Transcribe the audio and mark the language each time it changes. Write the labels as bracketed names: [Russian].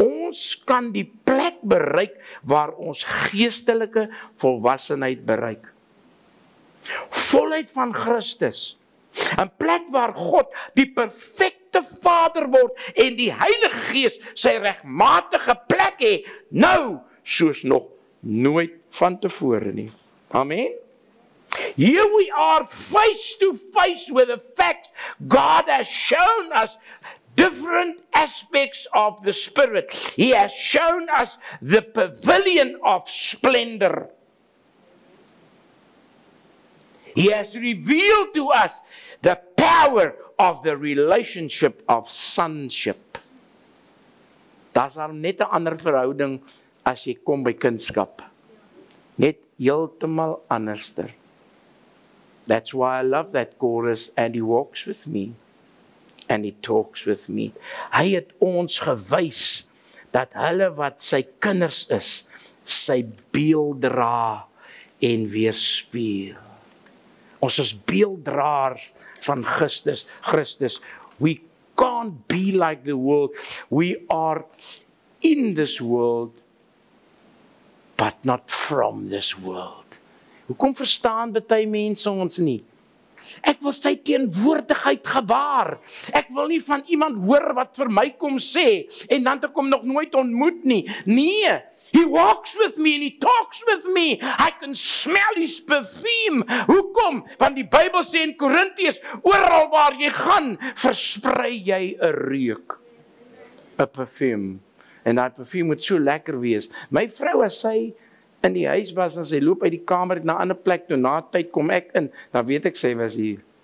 [Afrikaans] Ons kan die plek bereik waar ons geestelike volwassenheid bereik. Volheid van Christus. Een plek waar God die perfekte Vader word en die Heilige Gees sy regmatige plek hê, nou soos nog nooit van tevore nie. Amen. [English] Here we are face to face with the fact God has shown us different aspects of the Spirit. He has shown us the pavilion of splendor. He has revealed to us the power of the relationship of sonship. [Afrikaans] Das al net 'n ander verhouding as jy kom by kindskap. Net heeltemal anderster. [English] That's why I love that chorus, and he walks with me, and he talks with me. [Afrikaans] Hy het ons gewys, dat hulle wat sy kinders is, sy beelddra en weerspieël. Ons is beelddraers van Christus, Christus. [English] We can't be like the world. We are in this world, but not from this world. [Afrikaans] Hoekom verstaan baie mense ons nie? Ek wil sy teenwoordigheid gewaar. Ek wil nie van iemand hoor wat vir my kom sê en dan te kom nog nooit ontmoet nie. [English] Nee, he walks with me and he talks with me. I can smell his perfume. Hoekom? [Afrikaans] Want die Bybel sê in Korintiërs, oral waar jy gaan, versprei jy 'n reuk. 'N perfume. En daai perfume moet so lekker wees. My vrou as sy in die huis was, en sy loop uit die kamer na 'n ander plek toe, na tyd kom ek in, dan weet ek, sy was hier.